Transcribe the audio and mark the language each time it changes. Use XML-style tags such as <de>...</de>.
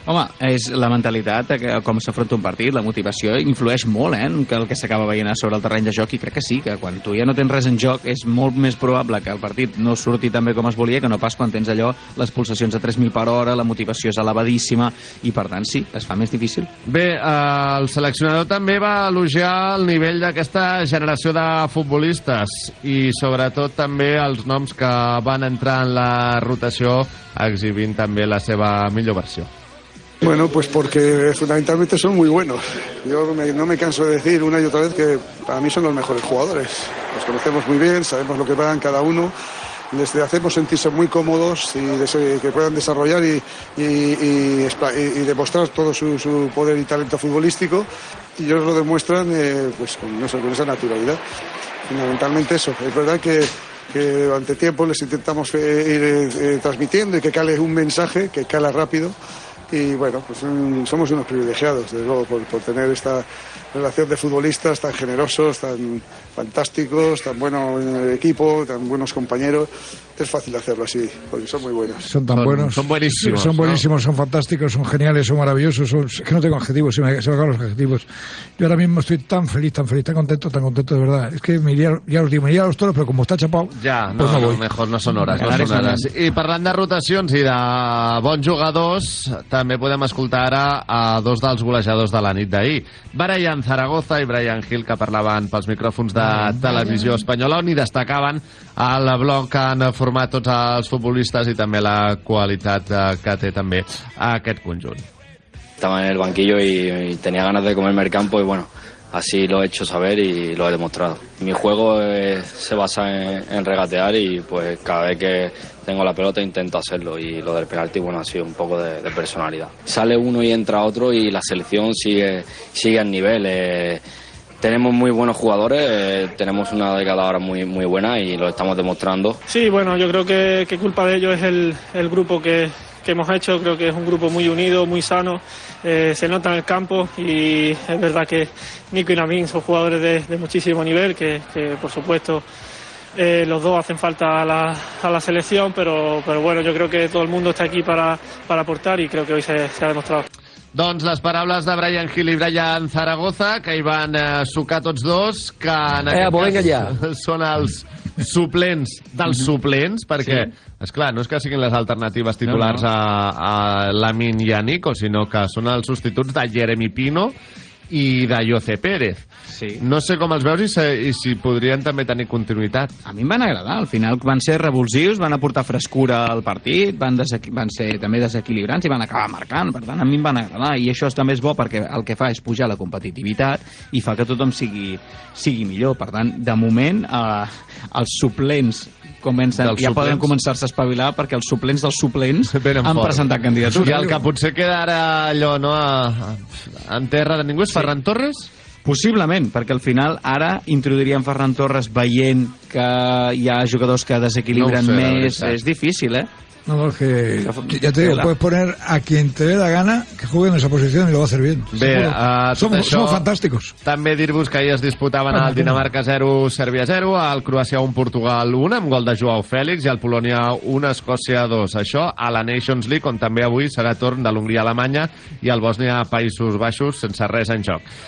<ca>Home, és la mentalitat que com s'afronta un partit, la motivació influeix molt en el que s'acaba veient sobre el terreny de joc, i crec que sí, que quan tu ja no tens res en joc és molt més probable que el partit no surti tan bé com es volia, que no pas quan tens allò, les pulsacions a 3.000 per hora, la motivació és elevadíssima, i per tant sí, es fa més difícil. Bé, el seleccionador també va elogiar el nivell d'aquesta generació de futbolistes, i sobretot també els noms que van entrar en la rotació exhibint també la seva millor versió.</ca> <es>Bueno, pues porque fundamentalmente son muy buenos. Yo no me canso de decir una y otra vez que para mí son los mejores jugadores. Los conocemos muy bien, sabemos lo que van cada uno. Les hacemos sentirse muy cómodos y que puedan desarrollar y demostrar todo su poder y talento futbolístico. Y ellos lo demuestran pues con esa naturalidad. Fundamentalmente eso. Es verdad que durante tiempo les intentamos ir transmitiendo y que cale un mensaje, que cala rápido. Y bueno, pues somos unos privilegiados, desde luego, por tener esta relación de futbolistas tan generosos, tan fantásticos, tan bueno equipo, tan buenos compañeros. Es fácil hacerlo así, porque son muy buenos. Son tan buenos. Son buenísimos. Son buenísimos, ¿no? Son fantásticos, son geniales, son maravillosos. Es que no tengo adjetivos, se me acaban los adjetivos. Yo ahora mismo estoy tan feliz, tan contento, de verdad. Es que me iría, ya os digo, me iría a los toros, pero como está chapado... Ya, pues no, no, mejor no son horas, no son horas.</es> <ca>I parlant de rotacions i de bons jugadors, també podem escoltar ara a dos dels golejadors de la nit d'ahir. Brian Zaragoza i Brian Hill, que parlaven pels micròfons de Televisió Espanyola, on hi destacaven el bloc que han format tots els futbolistes i també la qualitat que té també aquest conjunt. Estaba en el banquillo y tenía ganas de comerme el campo y bueno, así lo he hecho saber y lo he demostrado. Mi juego se basa en regatear y pues cada vez que tengo la pelota intento hacerlo y lo del penalti, bueno, ha sido un poco de personalidad. Sale uno y entra otro y la selección sigue al nivel. Tenemos muy buenos jugadores, tenemos una década ahora muy, muy buena y lo estamos demostrando. Sí, bueno, yo creo que culpa de ello es el grupo que hemos hecho. Creo que es un grupo muy unido, muy sano, se nota en el campo y es verdad que Nico y Lamín son jugadores de muchísimo nivel, que por supuesto los dos hacen falta a la selección, pero bueno, yo creo que todo el mundo está aquí para aportar y creo que hoy se ha demostrado. Doncs les paraules de Brian Hill i Brian Zaragoza, que hi van sucar tots dos, que en aquest cas són els suplents dels suplents, perquè, esclar, no és que siguin les alternatives titulars a Lamin i a Nico, sinó que són els substituts de Jeremy Pino i de Jose Pérez. Sí. No sé com els veus i si podrien també tenir continuïtat. A mi em van agradar, al final van ser revulsius, van aportar frescura al partit, van ser també desequilibrants i van acabar marcant, per tant, a mi em van agradar, i això també és bo perquè el que fa és pujar la competitivitat i fa que tothom sigui millor. Per tant, de moment, els suplents comencen, ja suplents. Poden començar-se a espavilar perquè els suplents dels suplents venen han fort. Presentat candidatura. I el que potser queda ara allò, no, en terra de ningú és Ferran Torres? Possiblement, perquè al final ara introduiríem Ferran Torres veient que hi ha jugadors que desequilibren més. És difícil, eh?</ca> <es>No, porque ya te digo, puedes poner a quien te dé la gana que juegue en esa posición y lo va a hacer bien.</es> <ca>Bé,</ca> <es>somos fantásticos.</es> <ca>També dir-vos que ahir es disputaven el Dinamarca 0, Sèrbia 0, el Croàcia 1, Portugal 1, amb gol de Joao Félix, i el Polònia 1, Escòcia 2. Això a la Nations League, on també avui serà torn de l'Hongria a Alemanya i el Bòsnia a Països Baixos, sense res en joc.</ca>